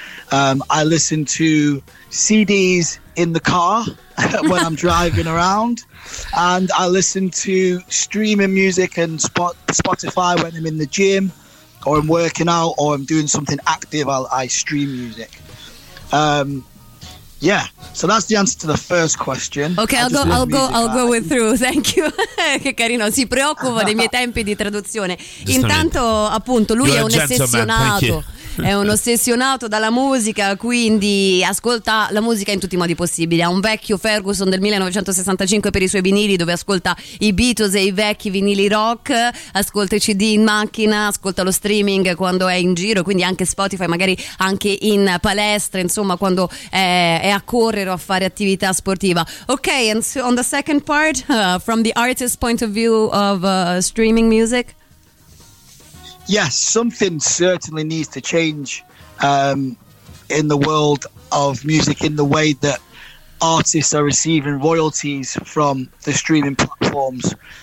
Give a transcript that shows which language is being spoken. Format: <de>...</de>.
<en>I listen to CDs in the car when I'm driving around, and I listen to streaming music and Spotify when I'm in the gym or I'm working out or I'm doing something active. I stream music. Yeah, so that's the answer to the first question. Okay, I'll go with through. Thank you.</en> <it>Che carino, si preoccupa dei miei tempi di traduzione. Intanto, appunto, lui</it> <en>You're</en> <it>è un ossessionato. È un ossessionato dalla musica, quindi ascolta la musica in tutti i modi possibili. Ha un vecchio Ferguson del 1965 per i suoi vinili, dove ascolta i Beatles e i vecchi vinili rock, ascolta i CD in macchina, ascolta lo streaming quando è in giro, quindi anche Spotify, magari anche in palestra, insomma, quando è a correre o a fare attività sportiva.</it> <en>Ok, and so on the second part, from the artist's point of view of streaming music. Yes, something certainly needs to change in the world of music, in the way that artists are receiving royalties from the streaming platforms.</en>